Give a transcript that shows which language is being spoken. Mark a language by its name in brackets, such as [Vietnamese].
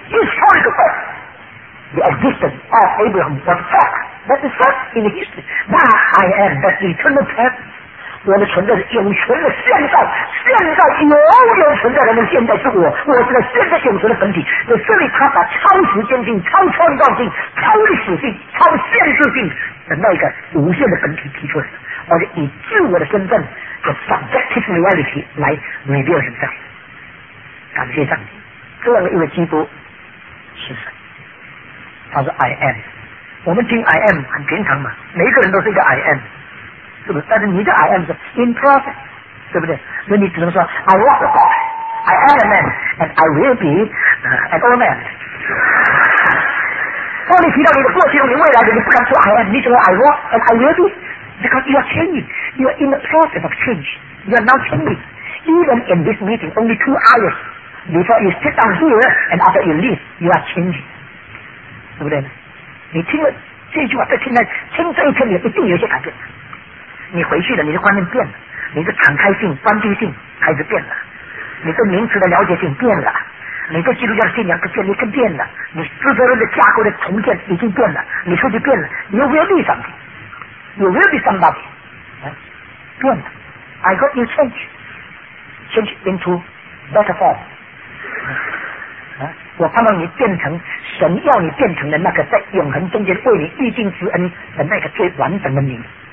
[English] Historical fact， The existence of Abraham was fact， That is fact in history， Now I am， That's the eternal past， [Chinese] 我们存在的永存的现在，现在永远存在的那现在是我，我是在现在永存的本体。在这里，他把超时间性、超创造性、超历史性、超限制性的那个无限的本体提出来了，而且以自我的身份的 subjective reality 来 reveal 人在。感谢上帝，这样一位基督是谁？他是 [English] I am。 [Chinese] 我们听 I am 很平常嘛，每个人都是一个 I am。是不是？但是你的 [English] I am 是 imperfect， [Chinese] 对不对？那你只能说 [English] I was a boy, I am a man, and I will be an old man。 [Chinese] 当你提到你的过去，你未来的，你不敢说 [English] I am， [Chinese] 你只能 [English] I was and I will be， because you are changing, you are in the process of change, you are now changing. Even in this meeting, only 2 hours before you sit down here and after you leave, you are changing， [Chinese] 对不对？你听了这句话，在听了听这一篇，你一定有些改变。你回去了，你的观念变了，你的敞开性、关闭性开始变了，你对名词的了解性变了，你对基督教的信仰的建立更变了，你自责任的架构的重建已经变了，你出去变了， [English] you will be something, you will be somebody, [Chinese] 变了， [English] I got you change into better form, [Chinese] 我盼望你变成神要你变成的那个在永恒中间为你预定之恩的那个最完整的你。